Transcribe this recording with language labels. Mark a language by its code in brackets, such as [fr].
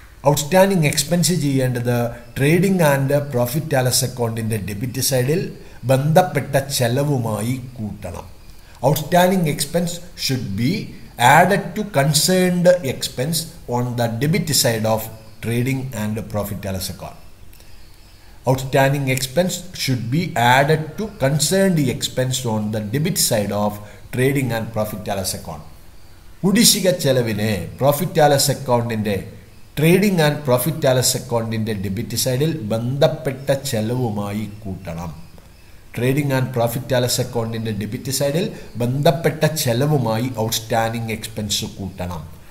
[ml] Outstanding expense ചെയ്യേണ്ടത് trading and profit loss അക്കൗണ്ടിൻ്റെ debit സൈഡിൽ ബന്ധപ്പെട്ട ചെലവുമായി കൂട്ടണം. [en] Outstanding expense should be added to concerned expense on the debit side of trading and profit loss account. Outstanding expense should be added to concerned expense on the debit side of trading and profit loss account. [ml] കുടിശ്ശിക ചെലവിനെ profit loss അക്കൗണ്ടിൻ്റെ trading and profit loss അക്കൗണ്ടിൻ്റെ debit സൈഡിൽ ബന്ധപ്പെട്ട ചെലവുമായി കൂട്ടണം. Trading and profit loss അക്കൗണ്ടിൻ്റെ debit സൈഡിൽ ബന്ധപ്പെട്ട ചെലവുമായി outstanding expense കൂട്ടണം.